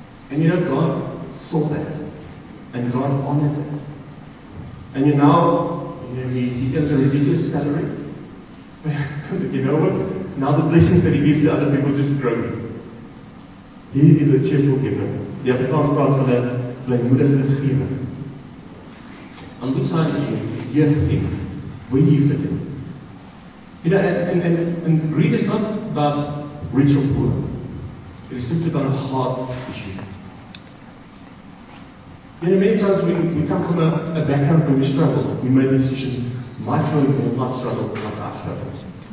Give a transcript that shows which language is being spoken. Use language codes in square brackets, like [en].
[en] And you know, God saw that. And God honored that. And you know, he gives a religious salary. But you know what? Now the blessings that he gives to other people just grow. He is a cheerful giver. [af] The Afrikaans praat van 'n blymoedige gewer. [en] On which side is you? Gift in. Where do you fit in? You know, and greed is not about rich or poor. It is simply about a heart issue. You know, many times we come from a background where we struggle. We made a decision, my children will not struggle like I struggled.